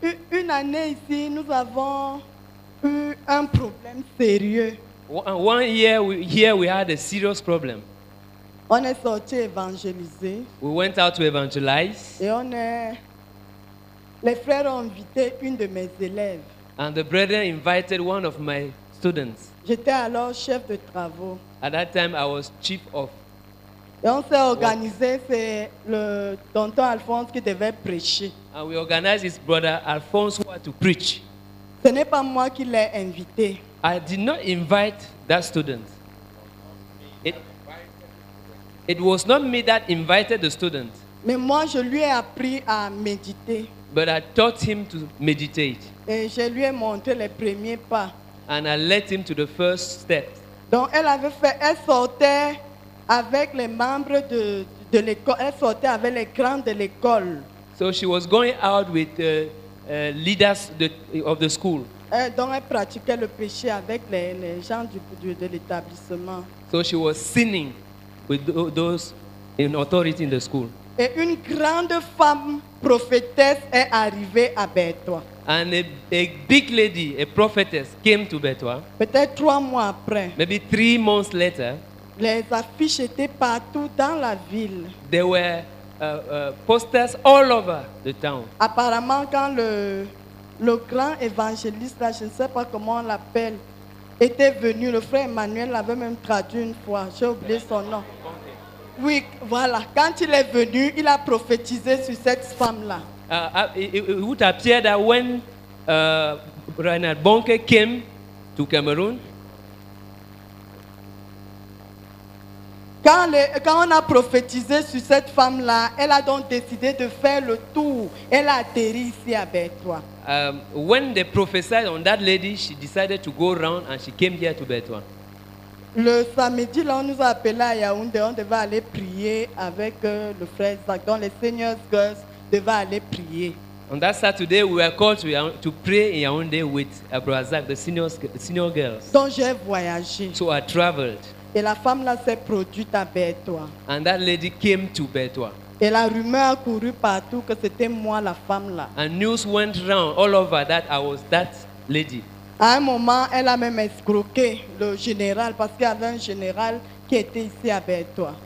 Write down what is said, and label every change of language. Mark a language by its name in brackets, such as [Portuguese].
[French] Une année ici, nous avons eu un problème sérieux. [English] One year we had a serious problem. [French] On est sorti évangéliser. [English] We went out to evangelize. [French] Et on est... Les frères ont invité une de mes élèves. [English] And the brethren invited one of my students. [French] J'étais alors chef de travaux. [English] At that time, I was chief of... [French] Et on s'est organisé, c'est le tonton Alphonse qui devait prêcher. [English] And we organized his brother Alphonse who had to preach. [French] Ce n'est pas moi qui l'ai invité. [English] I did not invite that student. It was not me that invited the student. [French] Mais moi, je lui ai appris à méditer. [English] But I taught him to meditate. [French] Et je lui ai montré les premiers pas. [English] And I led him to the first step. [French] Donc, elle avait fait, elle sortait avec les membres de l'école. Elle sortait avec les grands de l'école. [English] So she was going out with leaders of the school. [French] Donc, elle pratiquait le péché avec les gens de l'établissement. [English] So she was sinning with those in authority in the school. [French] Et une grande femme prophétesse est arrivée à Bétois. [English] And a big lady, a prophetess, came to Bétois. [French] Peut-être 3 mois après. [English] Maybe 3 months later. [French] Les affiches étaient partout dans la ville. [English] There were posters all over the town. [French] Apparemment, quand le grand évangéliste, là, je ne sais pas comment on l'appelle, était venu, le frère Emmanuel l'avait même traduit une fois. J'ai oublié son nom. Oui, voilà. Quand il est venu, il a prophétisé sur cette femme-là. [English] It would appear that when Reinhard Bonnke came to Cameroon, [French] quand on a prophétisé sur cette femme-là, elle a donc décidé de faire le tour. Elle a atterri ici à Bétois. [English] When they prophesied on that lady, she decided to go around and she came here to Bétois. [French] Le samedi, là, on nous a appelé à Yaoundé. On devait aller prier avec le frère Zach. Donc, les seniors girls devaient aller prier. [English] On that Saturday, we were called to pray in Yaoundé with Abraham Zach, the senior girls. [French] Donc, j'ai voyagé. [English] So, I traveled. [French] Et la femme là s'est produite à Bétois. [English] And that lady came to Bétois. [French] Et la rumeur a couru partout que c'était moi la femme là. [English] And news went round all over that I was that lady. [French] À un moment, elle a même escroqué le général parce qu'il y avait un général qui était ici à Bétois.